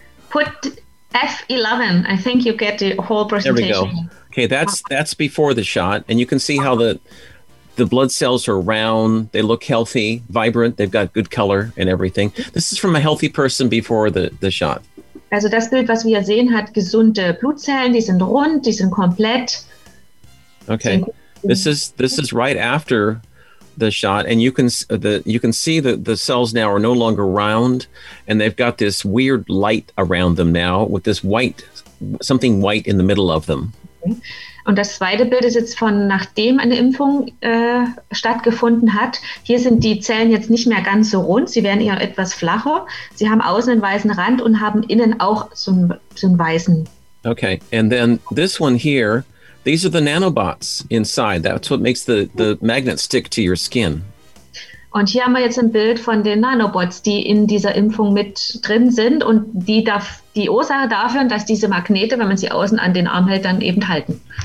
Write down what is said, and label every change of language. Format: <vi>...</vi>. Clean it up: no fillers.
<en>Put F11. I think you get the whole presentation. There we go. Okay, that's before the shot. And you can see how the blood cells are round. They look healthy, vibrant. They've got good color and everything. This is from a healthy person before the shot.</en> <de>Also das Bild, was wir sehen, hat gesunde Blutzellen. Die sind rund, die sind komplett.</de> <en>Okay, this is right after the shot. And you can see that the cells now are no longer round. And they've got this weird light around them now with this white, something white in the middle of them.</en> <de>Und das zweite Bild ist jetzt von nachdem eine Impfung stattgefunden hat. Hier sind die Zellen jetzt nicht mehr ganz so rund, sie werden eher etwas flacher. Sie haben außen einen weißen Rand und haben innen auch so einen weißen.</de> <en>Okay, and then this one here, these are the nanobots inside. That's what makes the magnet stick to your skin.</en> <de>Und hier haben wir jetzt ein Bild von den Nanobots, die in dieser Impfung mit drin sind und die Ursache dafür, dass diese Magnete, wenn man sie außen an den Arm hält, dann eben halten.</de>